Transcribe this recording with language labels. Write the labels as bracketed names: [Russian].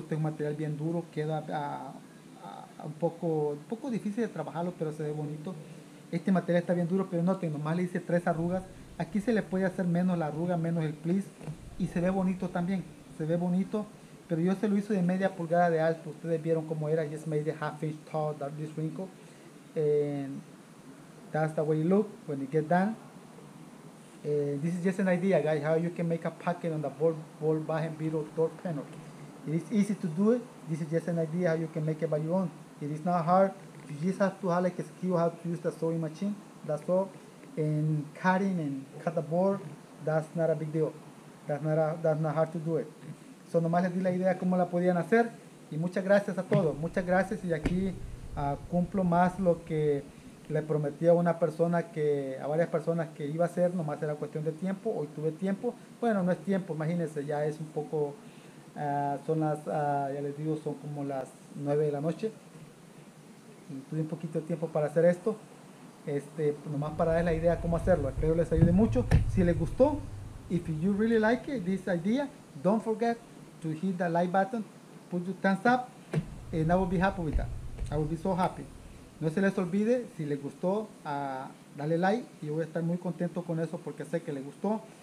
[Spanish] Este es un material bien duro, queda un poco difícil de trabajarlo, pero se ve bonito. Este material está bien duro, pero noten, nomás le hice 3 arrugas. Aquí se le puede hacer menos la arruga, menos el plis, y se ve bonito también. Se ve bonito. Pero yo se lo hice de 1/2 pulgada de alto. Ustedes vieron cómo era. [English] Just made a 1/2 inch tall, that this wrinkle. And that's the way it look when it get done. This is just an idea, guys, how you can make a packet on the ball bajen beetle door panel. It is easy to do it. This is just an idea how you can make it by your own. It is not hard. You just have to have like a skill how to use the sewing machine. That's all. And cutting and cut the board, that's not a big deal. That's not hard to do it. [Spanish] So nomás les di la idea cómo la podían hacer. Y muchas gracias a todos, muchas gracias. Y aquí cumplo más lo que le prometí a una persona, que a varias personas que iba a hacer. Nomás era cuestión de tiempo, hoy tuve tiempo. Bueno, no es tiempo, imagínense, ya es un poco ya les digo, son como las 9 de la noche y tuve un poquito de tiempo para hacer esto. Nomás para darles la idea cómo hacerlo. Espero les ayude mucho. [English] Si les gustó, if you really like it, this idea, don't forget to hit the like button, put your thumbs up, and I will be happy with that. I will be so happy. [Spanish] No se les olvide, si les gustó, dale like, y yo voy a estar muy contento con eso porque sé que les gustó.